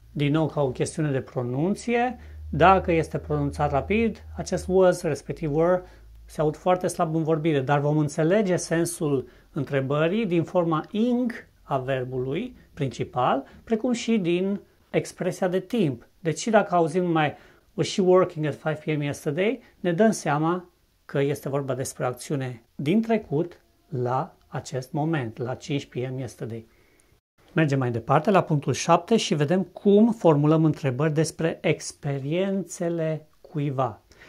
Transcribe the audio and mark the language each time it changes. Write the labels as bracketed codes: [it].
[ro] Din nou, ca o chestiune de pronunție, dacă este pronunțat rapid, acest was, respectiv were, se aud foarte slab în vorbire, dar vom înțelege sensul întrebării din forma ing a verbului principal, precum și din expresia de timp. Deci dacă auzim mai [en] was she working at 5 p.m. [ro] yesterday, ne dăm seama că este vorba despre acțiune din trecut, la acest moment, la [en] 5 p.m. yesterday. [ro] Mergem mai departe la punctul 7 și vedem cum formulăm întrebări despre experiențele cuiva.